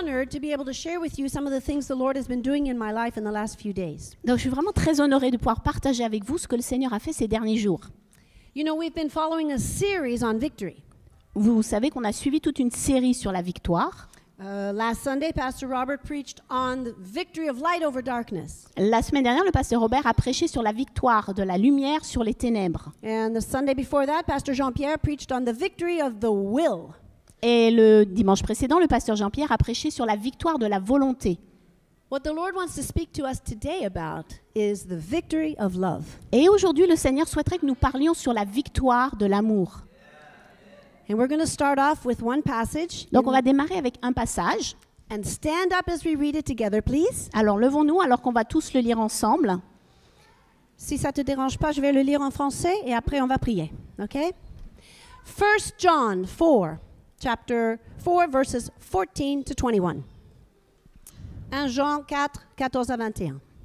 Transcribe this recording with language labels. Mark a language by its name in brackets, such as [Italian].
[English] To be able to share with you some of the things the Lord has been doing in my life in the last few days. [French] Donc je suis vraiment très honorée de pouvoir partager avec vous ce que le Seigneur a fait ces derniers jours. [English] You know, we've been following a series on victory. [French] Vous savez qu'on a suivi toute une série sur la victoire. [English] Last Sunday, Pastor Robert preached on the victory of light over darkness. [French] La semaine dernière, le pasteur Robert a prêché sur la victoire de la lumière sur les ténèbres. [English] And the Sunday before that, Pastor Jean-Pierre preached on the victory of the will. [French] Et le dimanche précédent, le pasteur Jean-Pierre a prêché sur la victoire de la volonté. [English] What the Lord wants to speak to us today about is the victory of love. [French] Et aujourd'hui, le Seigneur souhaiterait que nous parlions sur la victoire de l'amour. [English] And we're going to start off with one passage. [French] Donc on va démarrer avec un passage. [English] And stand up as we read it together, please. [French] Alors levons-nous alors qu'on va tous le lire ensemble. Si ça te dérange pas, je vais le lire en français et après on va prier. [English] OK? 1 John 4. Chapter 4, verses 14 to 21. [French] 1 Jean 4, 14 à 21.